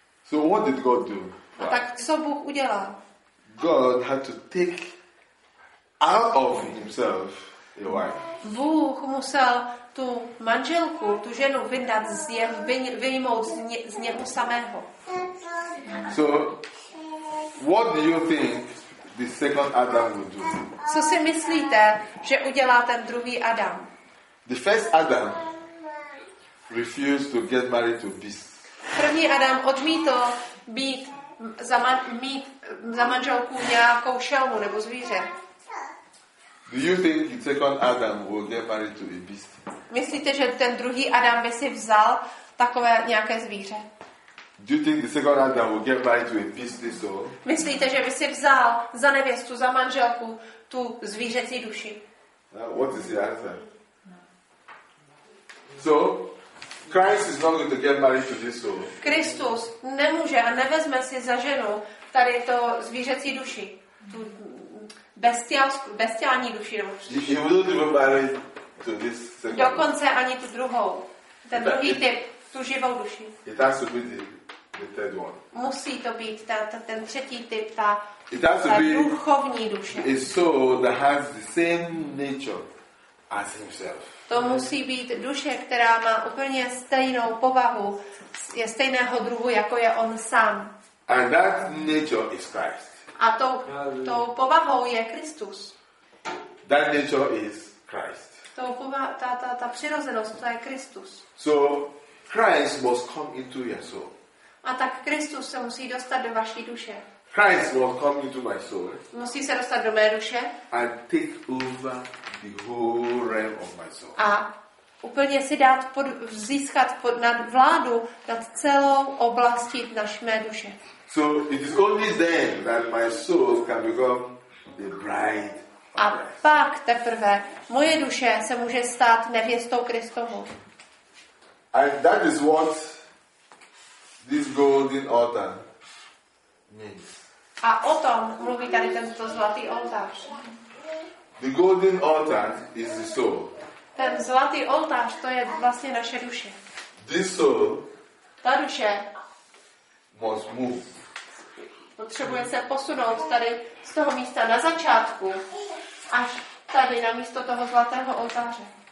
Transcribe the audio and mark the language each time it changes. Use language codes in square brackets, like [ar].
[en] So what did God do? [cs] A tak co Bůh udělal? [en] God had to take out of himself a wife. [cs] Bůh musel tu manželku, tu ženu vyndat z vyjmout z něho samého. [en] So what do you think the second Adam would do? [cs] Co si myslíte, že udělá ten druhý Adam? [en] The first Adam refused to get married to beasts. [cs] První Adam odmítl být za mít za manželku nějakou šelmu nebo zvíře. [en] Do you think the second Adam will get married to a beast? [cs] Myslíte, že ten druhý Adam by si vzal takové nějaké zvíře? [en] Do you think the second Adam will get married to a beast this soul? [cs] Myslíte, že by si vzal za nevěstu, za manželku tu zvířecí duši? [en] What is the answer? So Christ is not going to get married to this soul. [cs] Kristus nemůže a nevezme si za ženu tady to zvířecí duši. Tu bestiální duši. [en] He wouldn't even marry to this second. [cs] Dokonce ani tu druhou. Ten druhý typ, tu živou duši. [en] It has to be the third one. [cs] Musí to být ten třetí typ, ta duchovní duše. [en] A soul that has the same nature as himself. [cs] To musí být duše, která má úplně stejnou povahu, je stejného druhu, jako je on sám. [en] And that nature is Christ. [cs] A tou povahou je Kristus. [en] That nature is Christ. [cs] Ta přirozenost, to je Kristus. [en] So Christ must come into your soul. [cs] A tak Kristus se musí dostat do vaší duše. [en] Christ will come into my soul. [cs] Musí se dostat do mé duše. [en] And take over the whole realm of my soul. [cs] A úplně si dát získat nad vládu nad celou oblastí naší mé duše. [en] So it is only then that my soul can become the bride of Christ. [cs] A pak teprve moje duše se může stát nevěstou Kristovou. [en] And that is what this golden altar means. [cs] A o tom mluví tady tento zlatý oltář. [en] The golden altar is the soul. [cs] Ten zlatý oltář, to je vlastně naše duše. [en] This soul. [cs] Ta duše. [en] Must move. [cs] Potřebuje se posunout tady z toho místa na začátku až tady na místo toho zlatého oltáře.